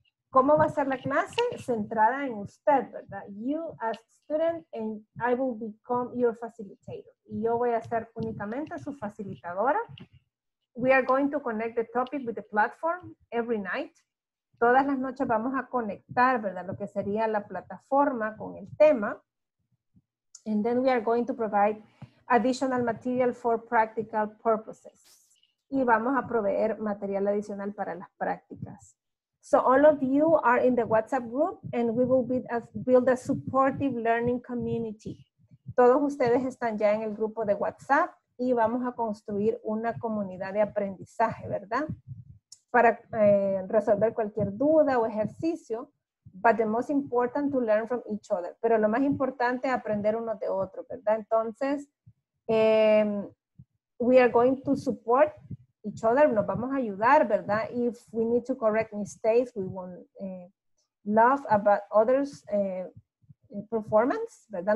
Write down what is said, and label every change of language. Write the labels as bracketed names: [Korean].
[Spanish] ¿Cómo va a ser la clase? Centrada en usted, ¿verdad? [English] You as student, and I will become your facilitator. [Spanish] Y yo voy a ser únicamente su facilitadora. [English] We are going to connect the topic with the platform every night. [Spanish] Todas las noches vamos a conectar, ¿verdad? Lo que sería la plataforma con el tema. [English] And then we are going to provide additional material for practical purposes. [Spanish] Y vamos a proveer material adicional para las prácticas. [English] So all of you are in the WhatsApp group and we will build a supportive learning community. [Spanish] Todos ustedes están ya en el grupo de WhatsApp. Y vamos a construir una comunidad de aprendizaje, ¿verdad? Para resolver cualquier duda o ejercicio. [English] But the most important to learn from each other. [Spanish] Pero lo más importante es aprender uno de otro, ¿verdad? [English] Entonces, we are going to support each other. [Spanish] Nos vamos a ayudar, ¿verdad? [English] If we need to correct mistakes, we won't laugh about others' performance, ¿verdad?